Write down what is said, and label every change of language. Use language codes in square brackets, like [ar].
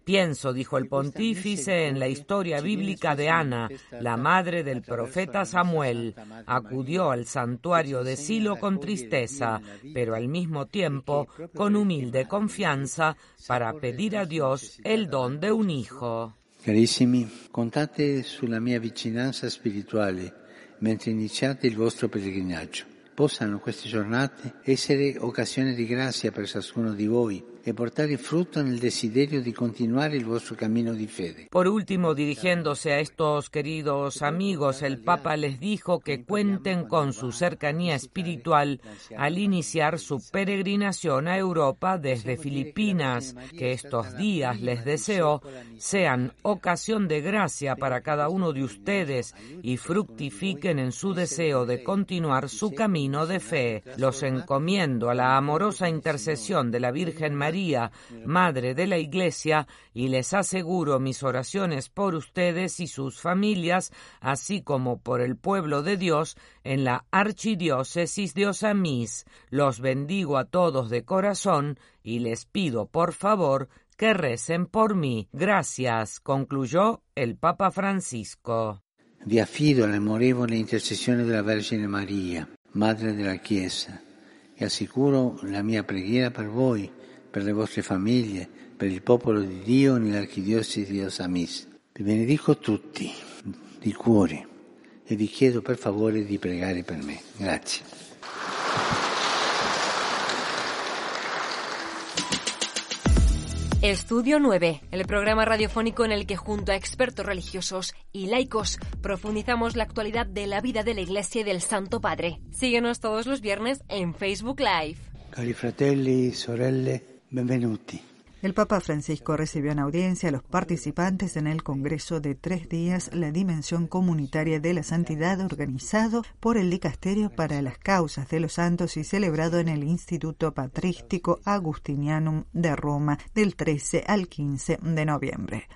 [es] Pienso, dijo el pontífice, en la historia bíblica de Ana, la madre del profeta Samuel. Acudió al santuario de Silo con tristeza, pero al mismo tiempo con humilde confianza para pedir a Dios el don de un hijo. [it] Carissimi, contate sulla mia vicinanza spirituale mentre iniziate il vostro pellegrinaggio. Possano queste giornate essere occasione di grazia per ciascuno di voi e portare frutto nel desiderio di continuare il vostro cammino di fede. [es] Por último, dirigiéndose a estos queridos amigos, el Papa les dijo que cuenten con su cercanía espiritual al iniciar su peregrinación a Europa desde Filipinas, que estos días, les deseo, sean ocasión de gracia para cada uno de ustedes y fructifiquen en su deseo de continuar su camino de fe. Los encomiendo a la amorosa intercesión de la Virgen María, Madre de la Iglesia, y les aseguro mis oraciones por ustedes y sus familias, así como por el pueblo de Dios en la Archidiócesis de Osamis. Los bendigo a todos de corazón y les pido, por favor, que recen por mí. Gracias, concluyó el Papa Francisco. [it] Vi affido la amorevole intercessione della Vergine Maria, Madre della Chiesa, e assicuro la mia preghiera per voi, per le vostre famiglie, per il popolo di Dio nell'Archidiocesi di Osamis. Vi benedico tutti, di cuore, e vi chiedo per favore di pregare per me. Grazie. [es] Estudio 9, el programa radiofónico en el que junto a expertos religiosos y laicos profundizamos la actualidad de la vida de la Iglesia y del Santo Padre. Síguenos todos los viernes en Facebook Live. [it] Cari fratelli, sorelle, benvenuti. [es] El Papa Francisco recibió en audiencia a los participantes en el Congreso de tres días La Dimensión Comunitaria de la Santidad, organizado por el Dicasterio para las Causas de los Santos y celebrado en el Instituto Patrístico Agustinianum de Roma del 13 al 15 de noviembre.